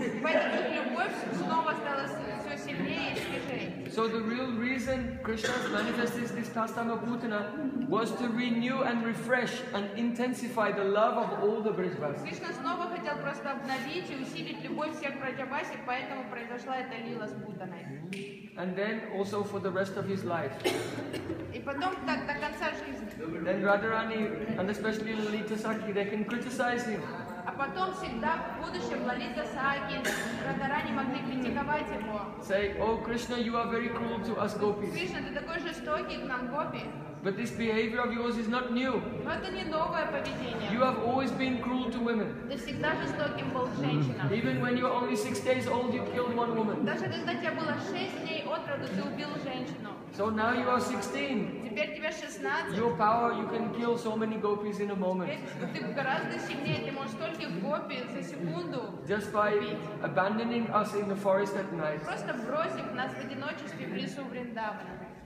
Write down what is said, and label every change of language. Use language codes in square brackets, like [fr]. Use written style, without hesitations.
[ru] Поэтому любовь снова стала все сильнее и свежее. [en] So the real reason Krishna manifested this pastime of Putana was to renew and refresh and intensify the love of all the Vrajavasis. [ru] Krishna снова хотел просто обновить и усилить любовь всех Vrajavasis, поэтому произошла эта лила с Путаной. [en] And then also for the rest of his life. [ru] И потом так до конца жизни. [en] Then Radharani and especially Lalita Sakhi, they can criticize him. [ru] А потом всегда в будущем Лалита Сахи, Радхарани могли критиковать его. [en] Say, oh Krishna, you are very cruel to us gopis. [ru] Кришна, ты такой жестокий к нам гопи. [en] But this behavior of yours is not new. [ru] Но это не новое поведение. [en] You have always been cruel to women. [ru] Ты всегда жестоким был к женщинам. [en] Even when you were only 6 days old, you killed one woman. [ru] Даже когда тебе было 6 дней от роду, ты убил женщину. [en] So now you are 16. [ru] Теперь тебе 16. [en] Your power, you can kill so many gopis in a moment. [ru] Ты гораздо сильнее, ты можешь только гопи за секунду. [en] Just by abandoning us in the forest at night. [ru] Просто бросив нас в одиночестве в лесу Вриндавана.